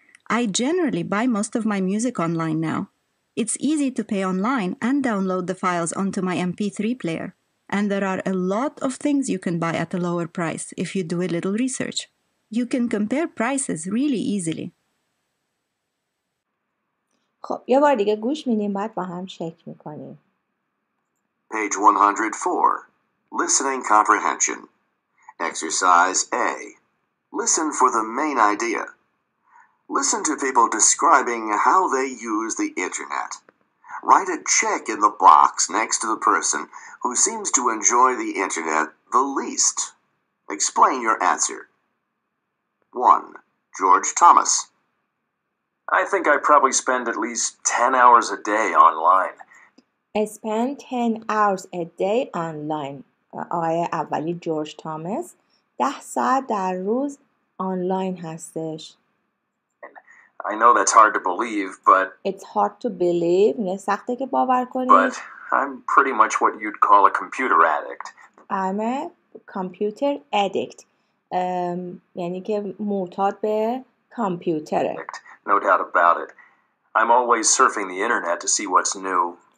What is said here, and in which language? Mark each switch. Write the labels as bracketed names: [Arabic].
[English] I generally buy most of my music online now. It's easy to pay online and download the files onto my MP3 player. And there are a lot of things you can buy at a lower price if you do a little research. You can compare prices really easily. [Persian] خب یه بار دیگه گوش میدیم بعد با هم چک میکنیم. [English] Page 104. Listening comprehension. Exercise A. Listen for the main idea. Listen to people describing how they use the internet. Write a check in the box next to the person who seems to enjoy the internet the least. Explain your answer. 1. George Thomas. I think I probably spend at least 10 hours a day online. I spend 10 hours a day online. [Persian] آقای اولی جورج تامس 10 ساعت در روز آنلاین هستش. [English] I know that's hard to believe, but... It's hard to believe. [Persian] نه سخته که باور کنی. [English] But I'm pretty much what you'd call a computer addict. I'm a computer addict. [Persian] یعنی که معتاد به کامپیوتره. [English] No doubt about it. I'm always surfing the internet to see what's new.